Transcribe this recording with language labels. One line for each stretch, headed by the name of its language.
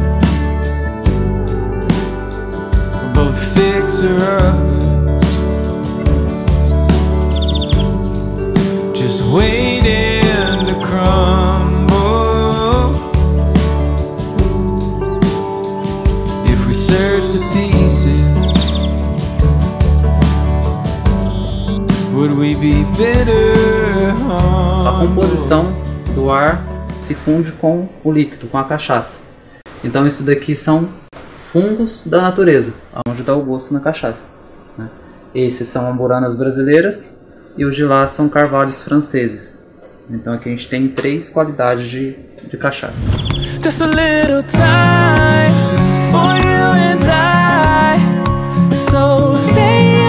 English: We're both fixer uppers, just waiting to crumble. If we search the pieces, would we be better?
Portuguese: A composição do ar se funde com o líquido, com a cachaça. Então isso daqui são fungos da natureza, onde dá o gosto na cachaça, né? Esses são amburanas brasileiras e os de lá são carvalhos franceses. Então aqui a gente tem três qualidades de cachaça.
English: Just a little time for you and I, so stay.